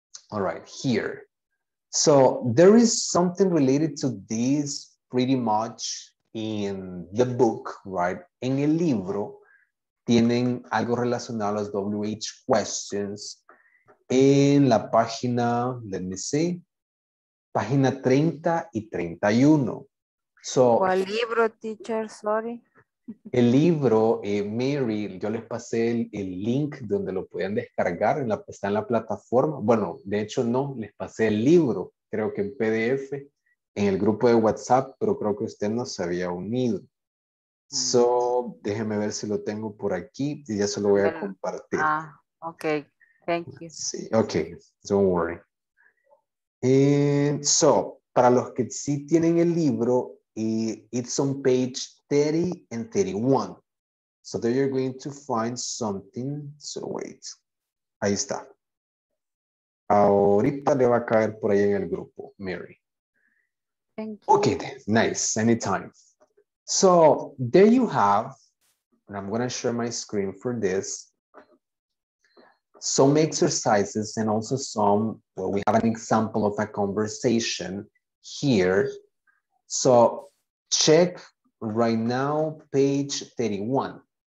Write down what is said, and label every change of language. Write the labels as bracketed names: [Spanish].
[English] All right, here. So there is something related to this pretty much in the book, right? [Spanish] En el libro, tienen algo relacionado a los WH questions. En la página, [English] let me see. [Spanish] Página 30 y 31. So, ¿cuál libro, teacher? Sorry. El libro, Mary, yo les pasé el link donde lo podían descargar. Está en la plataforma. Bueno, de hecho no, les pasé el libro. Creo que en PDF, en el grupo de WhatsApp, pero creo que usted no se había unido. So, déjeme ver si lo tengo por aquí y ya se lo voy a compartir. [English] Ah, ok. Thank you. Sí, ok. Don't worry. And so, [Spanish] para los que sí tienen el libro, [English] it's on page 30 and 31. So there you're going to find something. So wait. [Spanish] Ahí está. Ahorita le va a caer por ahí en el grupo, Mary. [English] Thank you. Okay, then. Nice. Anytime. So there you have, and I'm going to share my screen for this. Some exercises and also some, well, we have an example of a conversation here. So check right now page 31.